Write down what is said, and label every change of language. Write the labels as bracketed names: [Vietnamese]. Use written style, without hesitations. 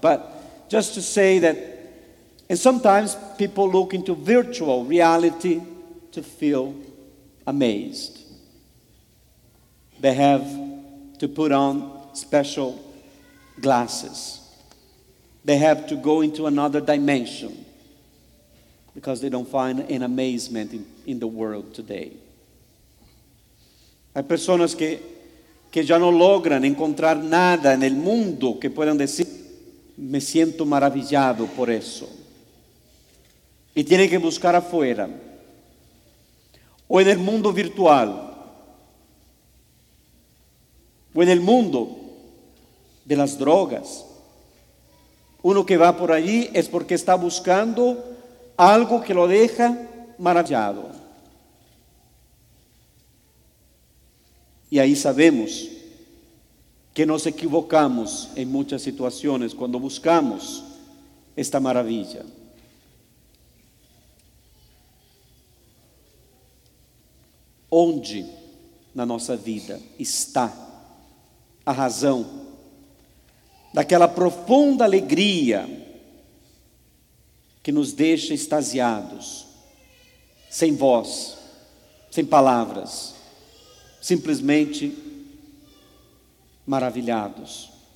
[English] But just to say that, and sometimes people look into virtual reality to feel amazed. They have to put on special glasses. They have to go into another dimension because they don't find an amazement in the world today. [Portuguese] Há pessoas que já não logram encontrar nada no mundo que possam dizer [Spanish] me siento maravillado por eso. Y tiene que buscar afuera. O en el mundo virtual. O en el mundo de las drogas. Uno que va por allí es porque está buscando algo que lo deja maravillado. Y ahí sabemos que nos equivocamos en muchas situaciones cuando buscamos esta maravilla. [Portuguese] Onde na nossa vida está a razão daquela profunda alegria que nos deixa extasiados, sem voz, sem palavras, simplesmente maravilhados?